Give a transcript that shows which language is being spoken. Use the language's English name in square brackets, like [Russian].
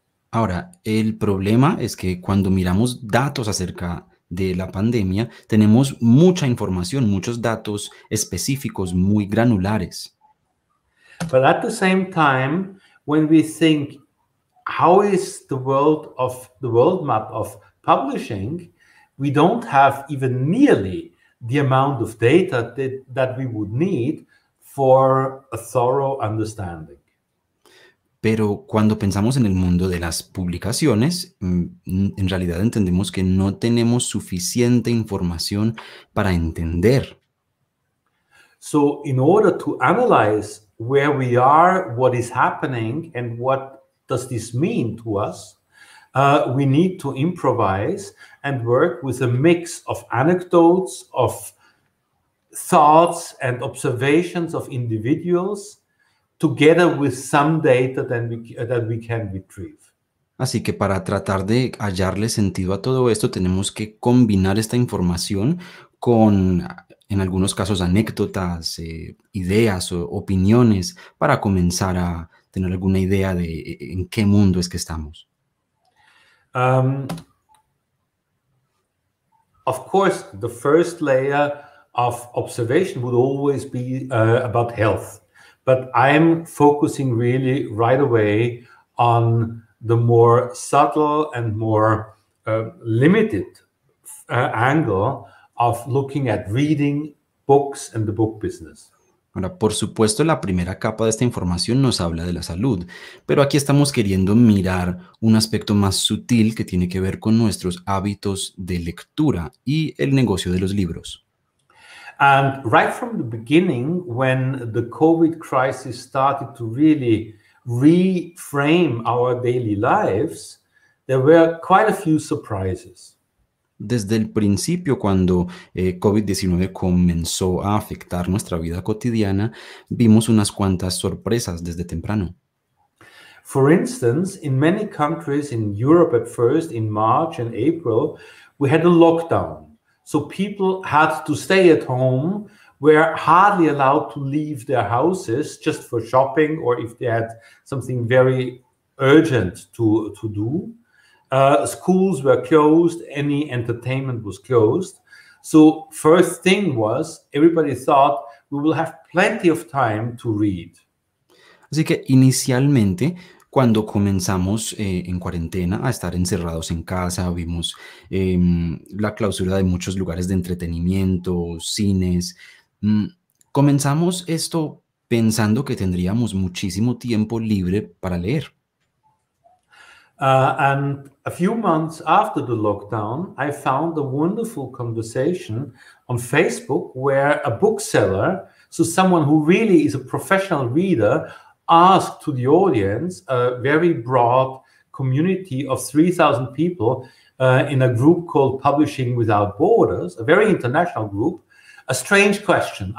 [Spanish] Ahora, el problema es que cuando miramos datos acerca de la pandemia, tenemos mucha información, muchos datos específicos, muy granulares. [English] But at the same time, when we think, how is the world map of publishing, we don't have even nearly the amount of data that we would need for a thorough understanding. [Spanish] Pero cuando pensamos en el mundo de las publicaciones, en realidad entendemos que no tenemos suficiente información para entender. [English] So, in order to analyze where we are, what is happening, and what does this mean to us, we need to improvise and work with a mix of anecdotes, of thoughts and observations of individuals, together with some data that we can retrieve. [Spanish] Así que para tratar de hallarle sentido a todo esto, tenemos que combinar esta información con, en algunos casos, anécdotas, ideas o opiniones para comenzar a tener alguna idea de en qué mundo es que estamos. [English] Of course, the first layer of observation would always be about health. But I'm focusing really right away on the more subtle and more limited angle of looking at reading books and the book business. [Spanish] Ahora, por supuesto, la primera capa de esta información nos habla de la salud, pero aquí estamos queriendo mirar un aspecto más sutil que tiene que ver con nuestros hábitos de lectura y el negocio de los libros. [English] And right from the beginning, when the COVID crisis started to really reframe our daily lives, there were quite a few surprises. [Spanish] Desde el principio, cuando COVID-19 comenzó a afectar nuestra vida cotidiana, vimos unas cuantas sorpresas desde temprano. [English] For instance, in many countries in Europe at first, in March and April, we had a lockdown. So people had to stay at home, were hardly allowed to leave their houses just for shopping or if they had something very urgent to do. Schools were closed, any entertainment was closed. So first thing was, everybody thought we will have plenty of time to read. [Spanish] Así que inicialmente, cuando comenzamos en cuarentena a estar encerrados en casa, vimos la clausura de muchos lugares de entretenimiento, cines. Comenzamos esto pensando que tendríamos muchísimo tiempo libre para leer. [English] And a few months after the lockdown, I found a wonderful conversation on Facebook where a bookseller, so someone who really is a professional reader, asked to the audience, a very broad community of 3,000 people in a group called Publishing Without Borders, a very international group, a strange question.